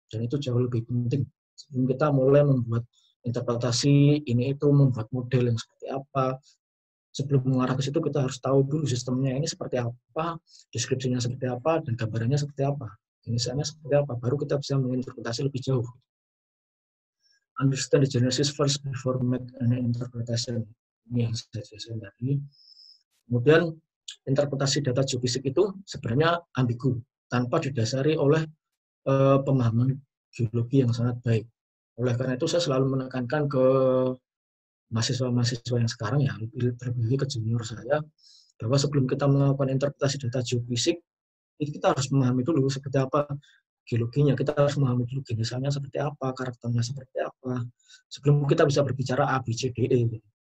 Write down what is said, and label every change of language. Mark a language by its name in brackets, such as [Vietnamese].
[Indonesian] Dan itu jauh lebih penting. Sebelum kita mulai membuat interpretasi ini itu, membuat model yang seperti apa, sebelum mengarah ke situ kita harus tahu dulu sistemnya ini seperti apa, deskripsinya seperti apa, dan gambarannya seperti apa. Ini sebenarnya seperti apa, baru kita bisa menginterpretasi lebih jauh. [English] understand the genesis first before make an interpretation. [Indonesian] Ini yang saya jelaskan tadi. Kemudian interpretasi data geofisik itu sebenarnya ambigu tanpa didasari oleh pemahaman geologi yang sangat baik. Oleh karena itu saya selalu menekankan ke mahasiswa-mahasiswa yang sekarang, ya, terlebih ke junior saya, bahwa sebelum kita melakukan interpretasi data geofisik, itu kita harus memahami dulu seperti apa geologinya, kita harus memahami dulu genesisnya seperti apa, karakternya seperti apa, sebelum kita bisa berbicara A, B, C, D, E.